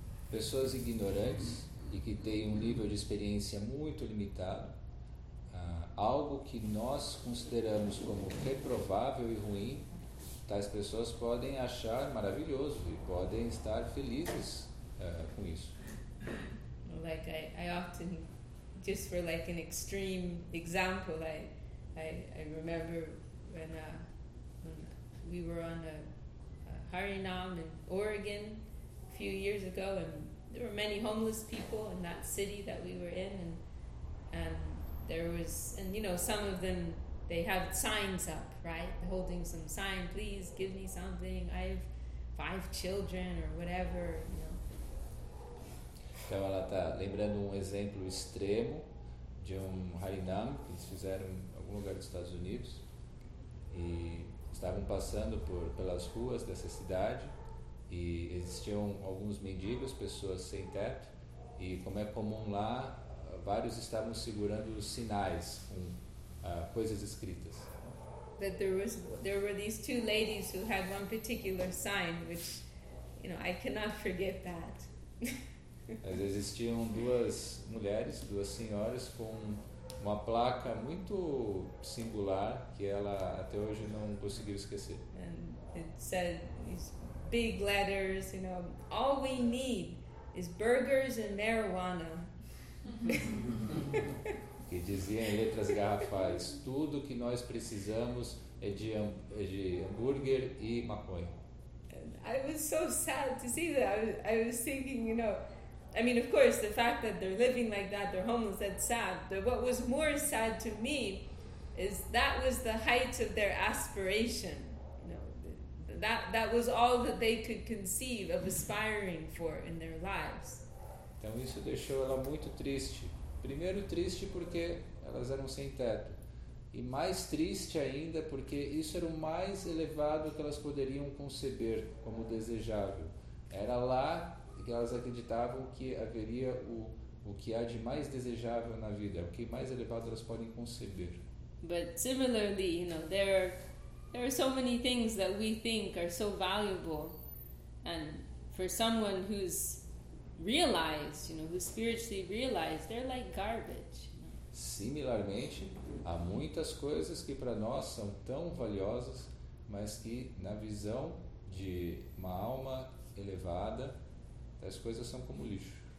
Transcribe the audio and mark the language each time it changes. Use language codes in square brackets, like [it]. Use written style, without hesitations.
[pt] Pessoas ignorantes e que têm nível de experiência muito limitado, algo que nós consideramos como reprovável e ruim, tais pessoas podem achar maravilhoso e podem estar felizes com isso. [en] Like I often, just for like an extreme example, I remember when we were on a Harinam in Oregon a few years ago, and there were many homeless people in that city that we were in, and there was, and you know, some of them, they have signs up, right, holding some sign, please give me something, I have 5 children or whatever, you know. [pt] Então ela está lembrando um exemplo extremo de um Harinam que eles fizeram em algum lugar dos Estados Unidos, e estavam passando pelas ruas dessa cidade e existiam alguns mendigos, pessoas sem teto, e como é comum lá, vários estavam segurando sinais com coisas escritas. [en] That there were these two ladies who had one particular sign which, you know, I cannot forget that. [pt] Mas existiam duas mulheres, duas senhoras com uma placa muito singular que ela até hoje não conseguiu esquecer. [en] And it said these big letters, you know, all we need is burgers and marijuana. [pt] Que dizia em letras garrafais, tudo que nós precisamos é de hambúrguer e maconha. [en] And I was so sad to see that. I was thinking, you know, I mean, of course, the fact that they're living like that, they're homeless, that's sad. But what was more sad to me is that was the height of their aspiration. You know, that was all that they could conceive of aspiring for in their lives. [pt] Então isso deixou ela muito triste. Primeiro triste porque elas eram sem teto. E mais triste ainda porque isso era o mais elevado que elas poderiam conceber como desejável. Era lá que elas acreditavam que haveria o que há de mais desejável na vida, o que mais elevado elas podem conceber. [en] But similarly, you know, there are so many things that we think are so valuable, and for someone who's realized, you know, who's spiritually realized, they're like garbage. [pt] Similarmente, há muitas coisas que para nós são tão valiosas, mas que na visão de uma alma elevada, as coisas são como lixo.